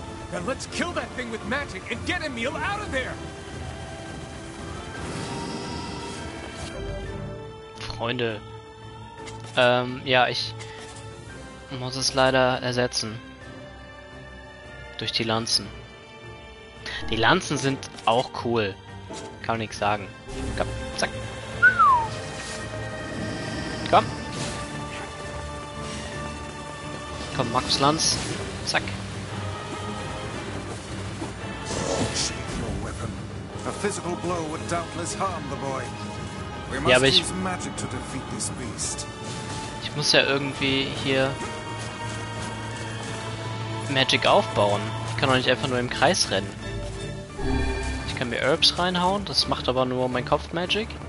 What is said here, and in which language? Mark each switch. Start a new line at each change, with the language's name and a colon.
English: Then let's kill that thing with magic and get Emile out of there!
German: Freunde, ja, ich muss es leider ersetzen durch die Lanzen. Die Lanzen sind auch cool, kann nichts sagen. Komm, zack. Komm. Komm, Markus Lanz, zack.
English: A physical blow would doubtless harm the boy.
German: Ja, aber ich muss ja irgendwie hier Magic aufbauen. Ich kann doch nicht einfach nur im Kreis rennen. Ich kann mir Herbs reinhauen, das macht aber nur mein Kopf Magic.